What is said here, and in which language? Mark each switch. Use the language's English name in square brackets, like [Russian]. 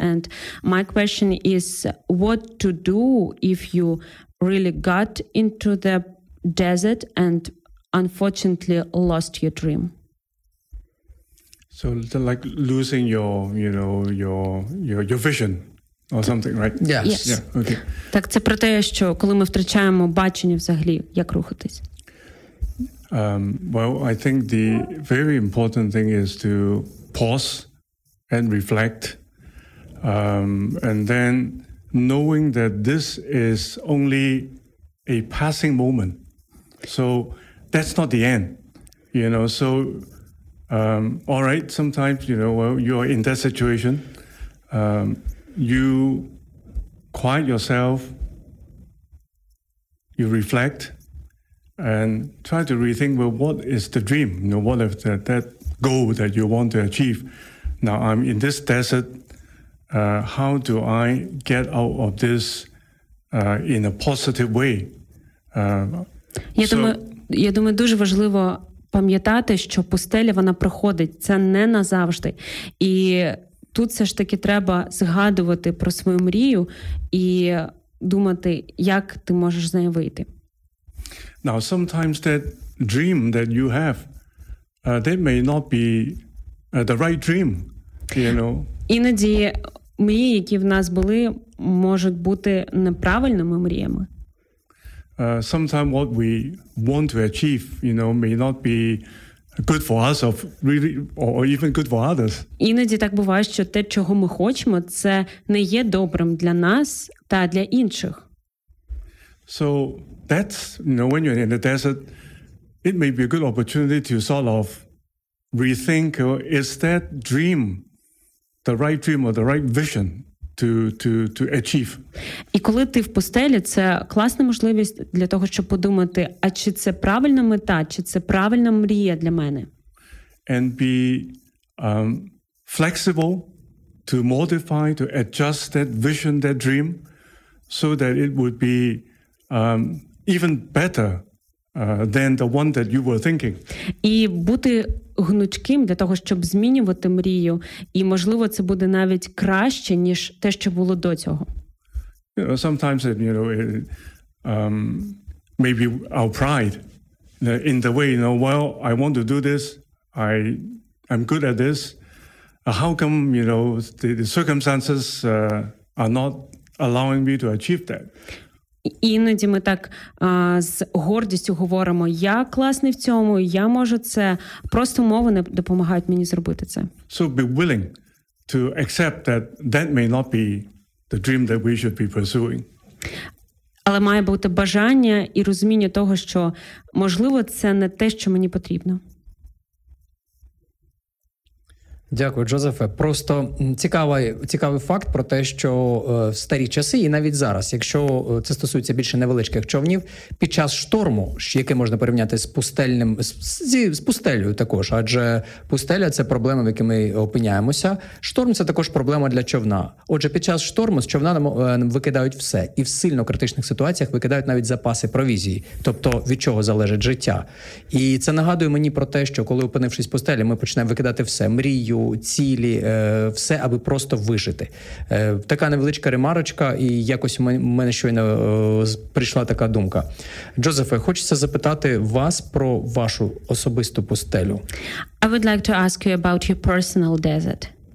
[English] And my question is, what to do if you really got into the desert and unfortunately lost your dream? So like losing your vision or something, right? Yes. Yeah, okay. [Ukrainian] Так це про те, що коли ми втрачаємо бачення взагалі, як рухатись? [English] Well, I think the very important thing is to pause and reflect, and then knowing that this is only a passing moment, so that's not the end, you know. So all right, sometimes, you know, well, you are in that situation, you quiet yourself, you reflect and try to rethink, well, what is the dream, you know, what if that goal that you want to achieve. Now I'm in this desert. How do I get out of this in a positive way? [Ukrainian] Я думаю, дуже важливо пам'ятати, що пустеля вона проходить, це не назавжди. І тут все ж таки треба згадувати про свою мрію і думати, як ти можеш з неї вийти. [English] Now sometimes that dream that you have, that may not be the right dream, you know. [Ukrainian] Іноді мрії, які в нас були, можуть бути неправильними мріями. [English] Sometimes what we want to achieve, you know, may not be good for us or even good for others. [Ukrainian] Іноді так буває, що те, чого ми хочемо, це не є добрим для нас та для інших. [English] So that's, you know, when you're in the desert, it may be a good opportunity to sort of rethink, is that dream the right dream or the right vision to achieve? [Ukrainian] І коли ти в пустелі, це класна можливість для того, щоб подумати, а чи це правильна мета, чи це правильна мрія для мене? [English] And be flexible to modify, to adjust that vision, that dream, so that it would be even better than the one that you were thinking. [Ukrainian] І бути гнучким для того, щоб змінювати мрію, і можливо, це буде навіть краще, ніж те, що було до цього. [English] You know, sometimes, you know, maybe our pride in the way, you know, well, I want to do this. I'm good at this. How come, you know, the circumstances are not allowing me to achieve that? [Ukrainian] Іноді ми так з гордістю говоримо, я класний в цьому, я можу це, просто мови не допомагають мені зробити це. [English] So be willing to accept that that may not be the dream that we should be pursuing. [Ukrainian] Але має бути бажання і розуміння того, що, можливо, це не те, що мені потрібно. Дякую, Джозефе. Просто цікавий факт про те, що в старі часи і навіть зараз, якщо це стосується більше невеличких човнів, під час шторму, яке можна порівняти з пустельним, з пустелею також, адже пустеля – це проблема, в якій ми опиняємося. Шторм – це також проблема для човна. Отже, під час шторму з човна нам викидають все. І в сильно критичних ситуаціях викидають навіть запаси провізії, тобто від чого залежить життя. І це нагадує мені про те, що коли опинившись в пустелі, ми починаємо викидати все – мрії, цілі, все, аби просто вижити. Така невеличка ремарочка, і якось у мене щойно прийшла така думка. Джозефе, хочеться запитати вас про вашу особисту пустелю. [English] I would like to ask you about your personal desert.